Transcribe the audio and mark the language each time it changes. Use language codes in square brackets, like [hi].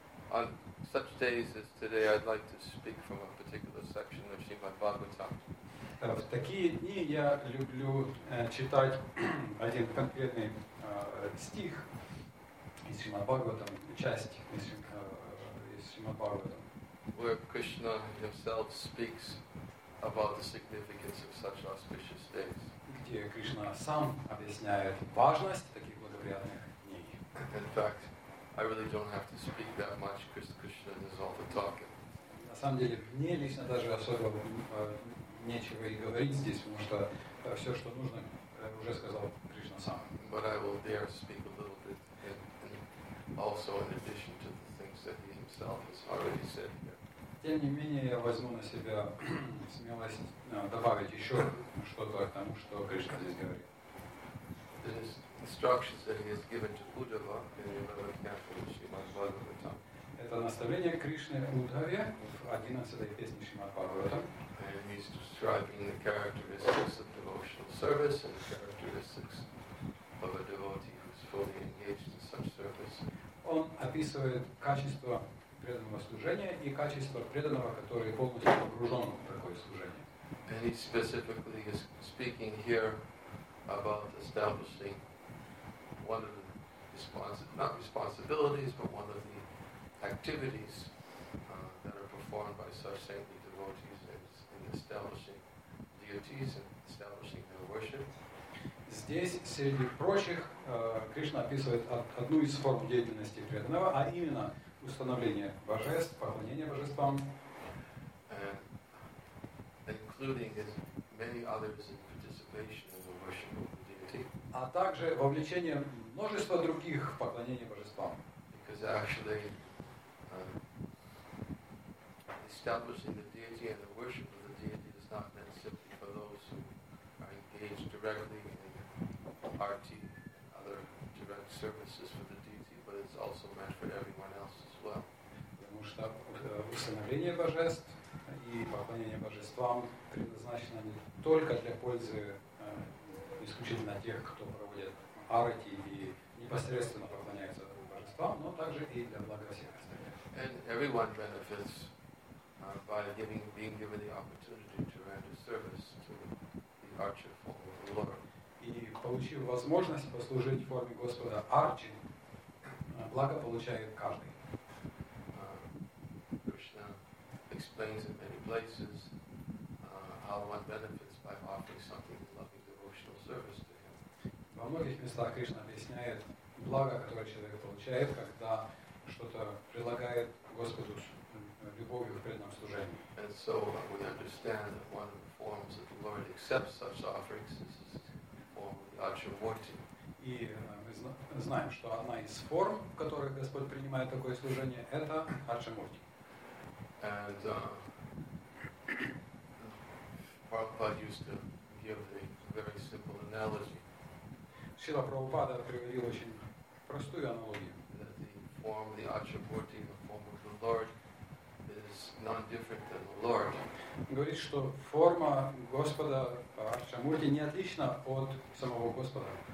[en] on such days as today, I'd like to speak from a particular section of Srimad Bhagavatam. [ru] В такие дни я люблю читать один конкретный стих из Шримад Бхагаватам, часть из Шримад Бхагаватам. [en] Where Krishna himself speaks about the significance of such auspicious days. [ru] Где Кришна сам объясняет важность таких благоприятных дней. [en] In fact, I really don't have to speak that much, because Krishna does all the talking. [ru] На самом деле, мне лично даже особо нечего и говорить здесь, потому что все, что нужно, уже сказал Кришна сам. [en] But I will dare speak a little bit, and also in addition to the things that he himself has already said here. [ru] Тем не менее, я возьму на себя смелость добавить еще что-то к тому, что Кришна здесь говорит. [en] The instructions that he has given to Uddhava in the 11th canto of Srimad Bhagavatam. [ru] Это наставление Кришны Удхаве в 11-й песне Шримад Бхагаватам. [en] And he's describing the characteristics of devotional service and the characteristics of a devotee who's fully engaged in such service. [ru] Он описывает качество преданного служения и качество преданного, который полностью погружен в такое служение. [en] And he specifically is speaking here about establishing one of the responsibilities, but one of the activities that are performed by such saintly devotees. Establishing deities and establishing their worship. [ru] Здесь, среди прочих, Кришна описывает одну из форм деятельности преданного, а именно установление божеств, поклонение божествам. [en] Including as many others in participation in the worship of the deity. [ru] А также вовлечение множества других в поклонение божествам. [en] Because actually establishing the deity and the worship of not meant simply for those who are engaged directly in arti and other direct services for the deity, but it's also meant for everyone else as well. [ru] Потому что установление божеств и поклонение божествам предназначено не только для пользы исключительно тех, кто проводит арти и непосредственно поклоняется божествам, но также и для блага всех остальных. [en] And everyone benefits by giving, being given the opportunity to render service to the Archer form of the Lord. [ru] И получив возможность послужить в форме Господа Арджи, благо получает каждый. [en] Krishna explains in many places how one benefits by offering something in loving devotional service to him. [ru] Во многих местах Кришна объясняет благо, которое человек получает, когда что-то прилагает Господу любовью в преданном служении. [en] And so we understand that one of the forms that the Lord accepts such offerings is the form of the Acharya Murti. [ru] И мы знаем, что одна из форм, в которых Господь принимает такое служение, это Арчамурти. [en] And Prabhupada used to give a very simple analogy. [ru] Шрила Прабхупада приводил очень простую аналогию. [en] That the form of the Arjamurti, the form of the Lord, is not different than the Lord. [ru] Говорит, что форма Господа Арчамурти не отлична от самого Господа.